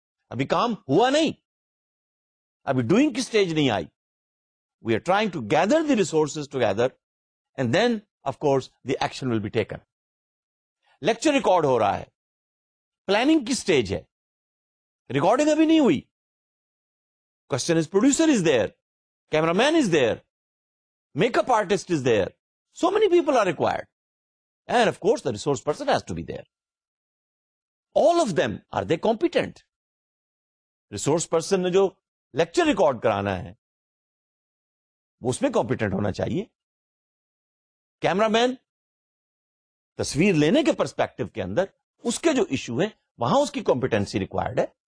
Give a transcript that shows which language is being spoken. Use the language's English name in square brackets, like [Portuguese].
[Urdu] ابھی کام ہوا نہیں, ابھی ڈوئنگ کی سٹیج نہیں آئی. [English] We are trying to gather the resources together and then of course the action will be taken. [Urdu] Lecture record ہو رہا ہے, پلاننگ کی سٹیج ہے, ریکارڈنگ ابھی نہیں ہوئی. [English] Question is producer is there, cameraman is there, make up artist is there, so many people are required, and of course the resource person has to be there. All of them are they competent? [Urdu] Resource person نے جو lecture record کرانا ہے وہ اس میں competent ہونا چاہیے. Camera مین تصویر لینے کے پرسپیکٹو کے اندر اس کے جو ایشو ہیں وہاں اس کی کمپیٹنسی ریکوائرڈ ہے.